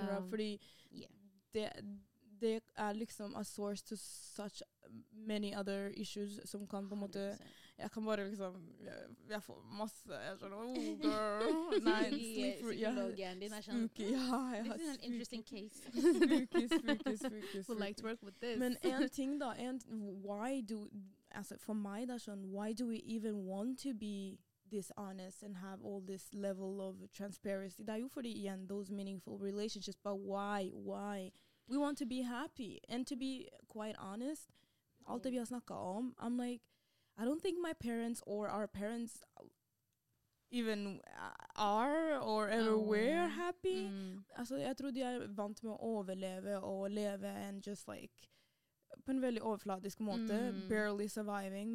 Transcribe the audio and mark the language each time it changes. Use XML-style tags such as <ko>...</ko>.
<no>Fordi det liksom</no> <en>a source to such many other issues</en> <no>som kan på en måte...</no> <sv>Jag kan bara liksom jag får massa jag så</sv> <en>oh girl this is an interesting case. spooky. We'd like to work with this.</en> <no>Men en ting då,</no> <en>and why do,</en> <no>alltså, for mig då,</no> <en>why do we even want to be this honest and have all this level of transparency.</en> <no>Det er jo fordi, igjen,</no> <en>those meaningful relationships, but why? Why? We want to be happy. And to be quite honest,</en> <no>alt det vi har snakket om,</no> <en>I'm like, I don't think my parents or our parents even are or ever were happy. Mm.</en> <no>Altså, jeg tror de vant med å overleve og leve</no> <en>and just like,</en> <no>på en veldig overfladisk måte,</no> <en>barely surviving.</en>